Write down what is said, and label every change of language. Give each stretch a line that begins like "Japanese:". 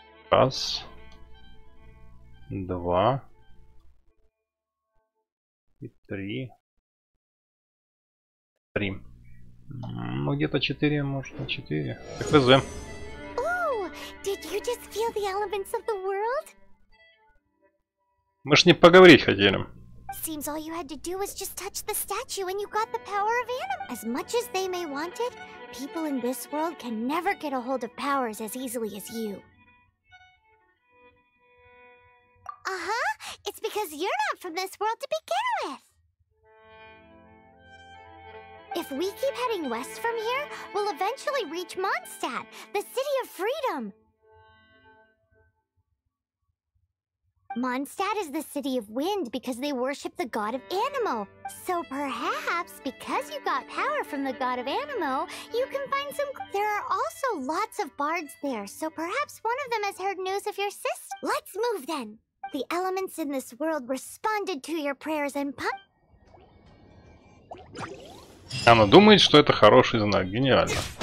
Russian: Раз. Два. И три. Три. Ну, где-то четыре, может, на четыре. Так, ВЗ.
English: Did you just feel the elements of the world?
Russian: Мы ж не поговорить хотели.
English: Seems all you had to do was just touch the statue and you got the power of anima. As much as they may want it, people in this world can never get a hold of powers as easily as you. Uh-huh. It's because you're not from this world to begin with. If we keep heading west from here, we'll eventually reach Mondstadt, the city of freedom. Mondstadt is the city of wind because they worship the god of Animo. So perhaps because you got power from the god of Animo, you can find some. There are also lots of bards there, so perhaps one of them has heard news of your sister. Let's move then. The elements in this world responded to your prayers and pun.
Russian: Она думает, что это хороший знак. Гениально.